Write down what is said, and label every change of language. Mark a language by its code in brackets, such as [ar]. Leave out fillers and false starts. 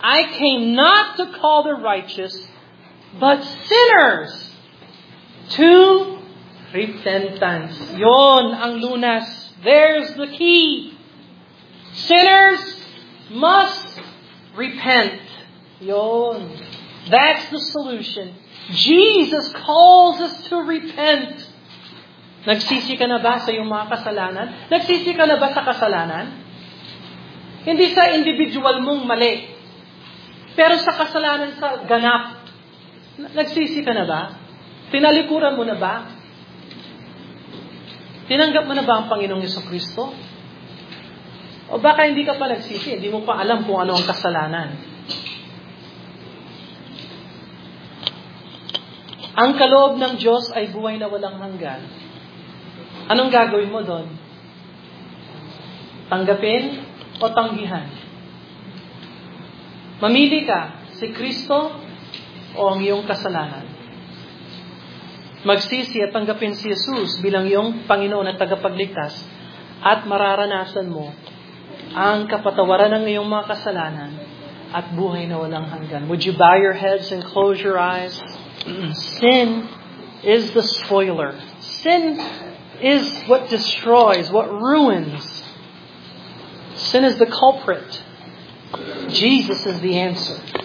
[en] I came not to call the righteous, but sinners to repentance. [tl] Yon ang lunas. [en] There's the key. Sinners must repent. Yon. That's the solution. Jesus calls us to repent. [tl] Nagsisi ka na ba sa iyong mga kasalanan? Nagsisi ka na ba sa kasalanan? Hindi sa individual mong mali, pero sa kasalanan sa ganap. Nagsisi ka na ba? Tinalikuran mo na ba? Tinanggap mo na ba ang Panginoong Hesukristo? O baka hindi ka pa nagsisi, hindi mo pa alam kung ano ang kasalanan. Ang kaloob ng Diyos ay buhay na walang hanggan. Anong gagawin mo doon? Tanggapin o tanggihan? Mamili ka, si Kristo o ang iyong kasalanan. Magsisi at tanggapin si Jesus bilang iyong Panginoon at tagapagligtas at mararanasan mo ang kapatawaran ng iyong mga kasalanan at buhay na walang hanggan. [en] Would you bow your heads and close your eyes? Sin is the spoiler. Sin is what destroys, what ruins. Sin is the culprit. Jesus is the answer.